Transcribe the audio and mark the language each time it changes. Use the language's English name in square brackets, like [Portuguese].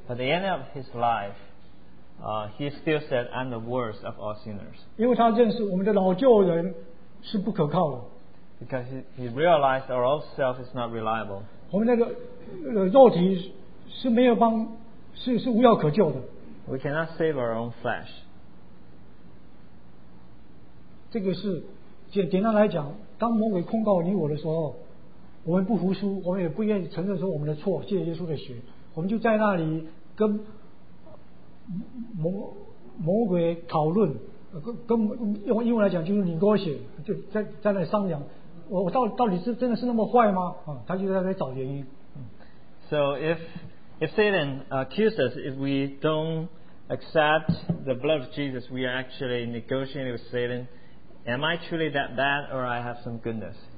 [English] At the end of his life, he still said, "I'm the worst of all sinners." [Chinese] 因为他认识我们的老旧人是不可靠的。 [English] Because he realized our old self is not reliable. [Chinese] 我们那个肉体是没有帮，是无药可救的。 [English] We cannot save our own flesh. [Chinese] 这个是简单来讲，当魔鬼控告你我的时候。我们不服输，我们也不愿意承认说我们的错，借耶稣的血，我们就在那里跟魔鬼讨论，跟用英文来讲就是negotiate，就在那商量，我到底是真的是那么坏吗？他就在那里找原因。 [English] So if Satan accuses us, if we don't accept the blood of Jesus, we are actually negotiating with Satan. Am I truly that bad, or I have some goodness?